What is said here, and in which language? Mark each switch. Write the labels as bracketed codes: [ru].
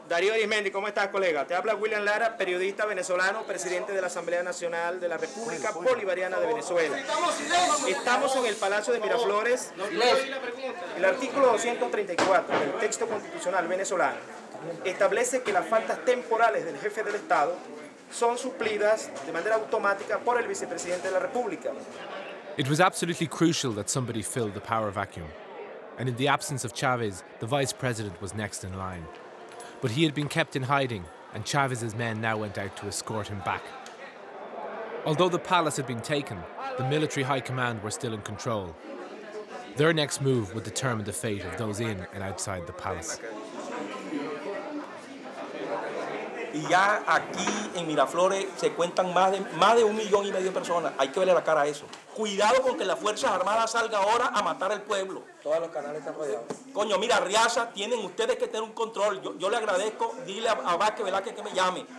[es] Darío Arismendi, ¿cómo estás, colega? Te habla William Lara, periodista venezolano, presidente de la Asamblea Nacional de la República Bolivariana de Venezuela. Estamos en el Palacio de Miraflores. El artículo 234 del texto constitucional venezolano establece que las faltas temporales del jefe del Estado son suplidas de manera automática por el vicepresidente de la República. [en] It was absolutely crucial that somebody fill the power vacuum. And in the absence of Chávez, the vice president was next in line. But he had been kept in hiding, and Chávez's men now went out to escort him back. Although the palace had been taken, the military high command were still in control. Their next move would determine the fate of those in and outside the palace. [es] Y ya aquí en Miraflores se cuentan más de 1.5 million de personas. Hay que verle la cara a eso. Cuidado con que las Fuerzas Armadas salgan ahora a matar al pueblo. Todos los canales están rodeados. Coño, mira, Riaza, tienen ustedes que tener un control. Yo le agradezco, dile a Vázquez Velázquez que me llame.